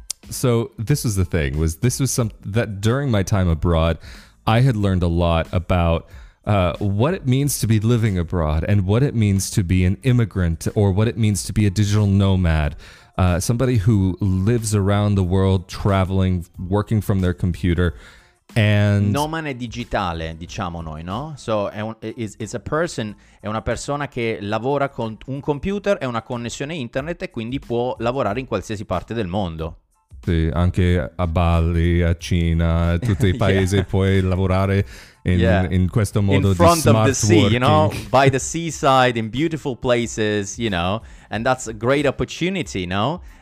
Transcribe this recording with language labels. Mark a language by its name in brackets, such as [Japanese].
[English] So this was the thing, was this was some that during my time abroad, I had learned a lot about what it means to be living abroad and what it means to be an immigrant or what it means to be a digital nomad. Somebody who lives around the world, traveling, working from their computer, and [Italian] nomade digitale, diciamo noi, no? [English] So it's a person, [Italian] è una persona che lavora con un computer e una connessione internet e quindi può lavorare in qualsiasi parte del mondo. Sì, anche a Bali, a Cina, tutti i paesi yeah. puoi lavorare in, yeah. in questo modo di smart working. [English] In front of the sea, you know, by the seaside, in beautiful places, you know, and that's a great opportunity, no?